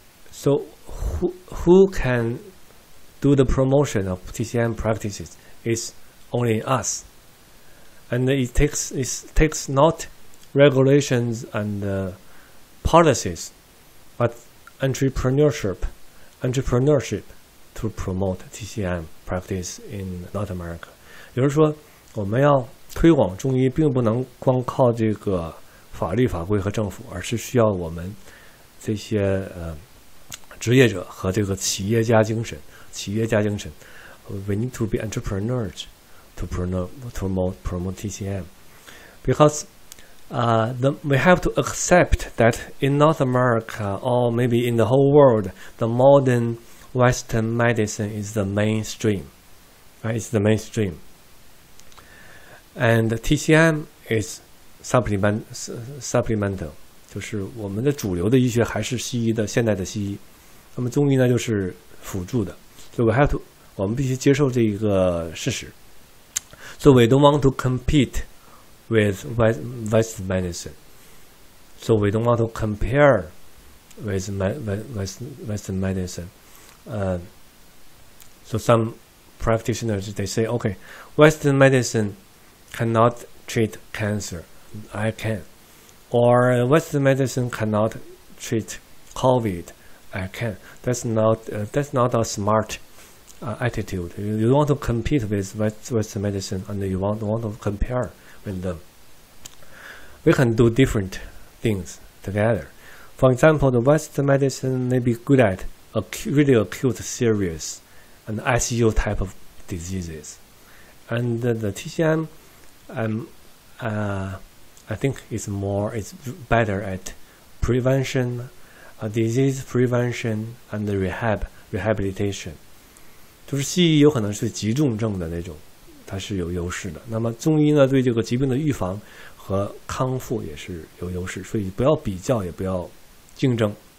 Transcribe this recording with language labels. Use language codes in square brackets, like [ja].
[en] So who can do the promotion of TCM practices is only us. And it takes not regulations and policies, but entrepreneurship to promote TCM practice in North America. [zh] 比如说我们要推广中医并不能光靠这个法律法规和政府，而是需要我们这些职业者和这个企业家精神。 [en] We need to be entrepreneurs to promote TCM. Because we have to accept that in North America or maybe in the whole world, the modern Western medicine is the mainstream. Right? It's the mainstream. And TCM is supplemental. [zh] 就是我们的主流的医学还是西医的，现代的西医。那么中医呢就是辅助的，所以我们必须接受这一个事实。 [en] So we don't want to compete with Western medicine. So we don't want to compare with Western medicine. So some practitioners, they say, okay, Western medicine cannot treat cancer. I can. Or Western medicine cannot treat COVID. I can. That's not a smart attitude. You don't want to compete with Western medicine, and you want to compare with them. We can do different things together. For example, the Western medicine may be good at really acute, serious, and ICU type of diseases. And the TCM, I think it's better at prevention, disease prevention, and rehabilitation. [zh] 就是西医有可能是急重症的那种，它是有优势的。那么中医呢，对这个疾病的预防和康复也是有优势，所以不要比较，也不要竞争。